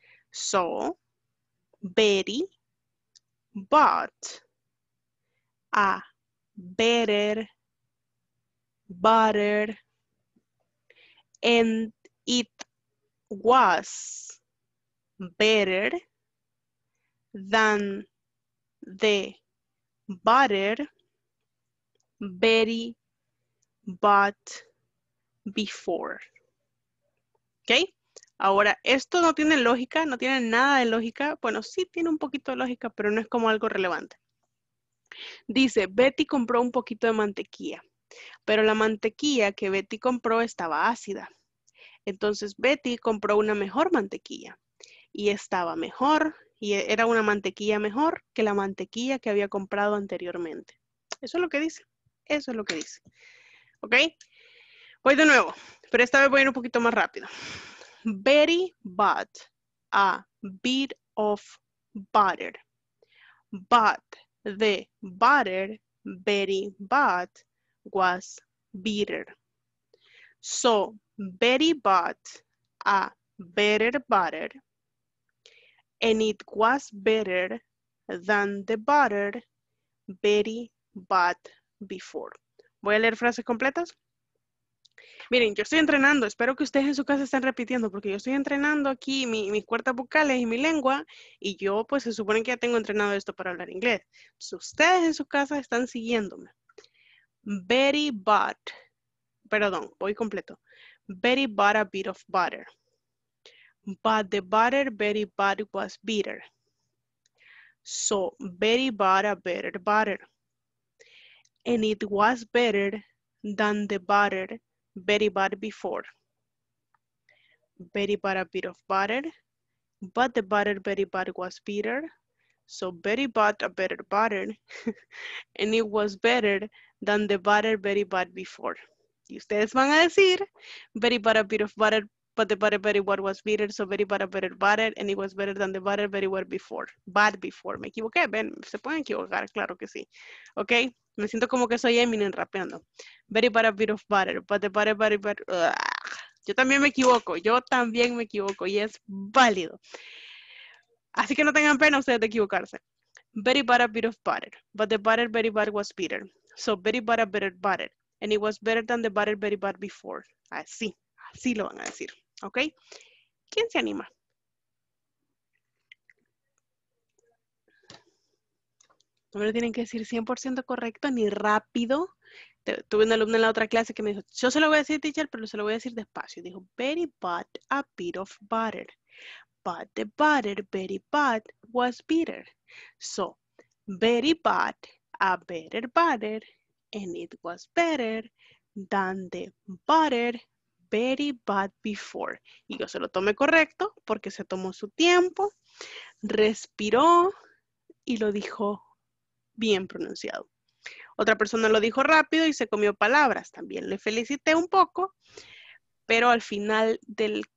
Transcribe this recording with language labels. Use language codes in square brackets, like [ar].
[en] So, Betty bought a better butter and it was better than the butter Betty bought before. ¿Ok? [es] Ahora, esto no tiene lógica, no tiene nada de lógica. Bueno, sí tiene un poquito de lógica, pero no es como algo relevante. Dice, Betty compró un poquito de mantequilla, pero la mantequilla que Betty compró estaba ácida. Entonces, Betty compró una mejor mantequilla y estaba mejor, y era una mantequilla mejor que la mantequilla que había comprado anteriormente. Eso es lo que dice, eso es lo que dice. ¿Ok? Voy de nuevo, pero esta vez voy a ir un poquito más rápido. [en] Betty bought a bit of butter, but the butter Betty bought was bitter. So, Betty bought a better butter and it was better than the butter Betty bought before. [es] Voy a leer frases completas. Miren, yo estoy entrenando. Espero que ustedes en su casa estén repitiendo porque yo estoy entrenando aquí mis cuartas vocales y mi lengua y yo pues se supone que ya tengo entrenado esto para hablar inglés. Entonces, ustedes en su casa están siguiéndome. [en] Betty bought, [es] perdón, voy completo. [en] Betty bought a bit of butter. But the butter Betty bought was bitter. So Betty bought a better butter. And it was better than the butter Betty bought before. Betty bought a bit of butter, but the butter Betty bought was bitter. So Betty bought a better butter, and it was better than the butter Betty bought before. [es] Y ustedes van a decir, [en] Betty bought a bit of butter, but the butter Betty bought was bitter. So Betty bought a better butter, and it was better than the butter Betty bought before. [es] Me equivoqué, ven, se pueden equivocar, claro que sí. Ok. Me siento como que soy Eminem rapeando. [en] Betty bought a bit of butter, but the butter Betty bought... [es] Yo también me equivoco y es válido. Así que no tengan pena ustedes de equivocarse. [en] Betty bought a bit of butter, but the butter Betty bought was bitter. So Betty bought a better butter, and it was better than the butter Betty bought before. [es] Así, así lo van a decir, ¿ok? ¿Quién se anima? No me lo tienen que decir 100% correcto ni rápido. Tuve una alumna en la otra clase que me dijo, yo se lo voy a decir, teacher, pero se lo voy a decir despacio. Dijo, [en] Betty bought a bit of butter. But the butter Betty bought was bitter. So, Betty bought a better butter and it was better than the butter Betty bought before. [es] Y yo se lo tomé correcto porque se tomó su tiempo, respiró y lo dijo bien pronunciado. Otra persona lo dijo rápido y se comió palabras. También le felicité un poco, pero al final del